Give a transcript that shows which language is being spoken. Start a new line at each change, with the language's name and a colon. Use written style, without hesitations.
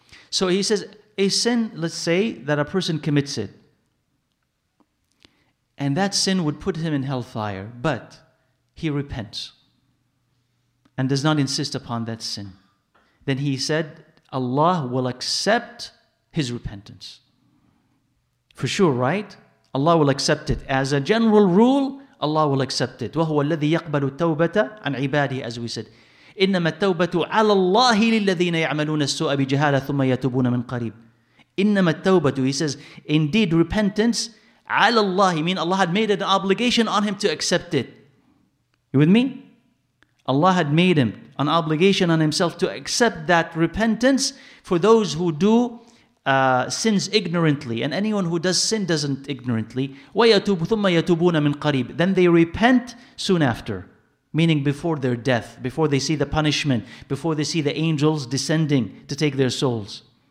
English: So he says, a sin, let's say, that a person commits it, and that sin would put him in hellfire, but he repents and does not insist upon that sin. Then he said, Allah will accept his repentance. For sure, right? Allah will accept it. As a general rule, Allah will accept it.
Arabic: وَهُوَ الَّذِي يَقْبَلُ التَّوْبَةَ عَنْ عِبَادِهِ
English: As we said,
Arabic: إِنَّمَا التَّوْبَةُ عَلَى اللَّهِ لِلَّذِينَ يَعْمَلُونَ السُّوءَ بِجَهَالَ ثُمَّ يَتُوبُونَ مِنْ قَرِيبٍ إِنَّمَا التَّوْبَةُ
English: He says, indeed, repentance,
Arabic: عَلَى اللَّهِ
English: mean Allah had made an obligation on him to accept it. You with me? Allah had made him an obligation on himself to accept that repentance for those who do sins ignorantly. And anyone who does sin doesn't ignorantly.
Arabic: وَيَتُوبُ ثُمَّ يَتُوبُونَ مِنْ قَرِيبٍ
English: Then they repent soon after, meaning before their death, before they see the punishment, before they see the angels descending to take their souls.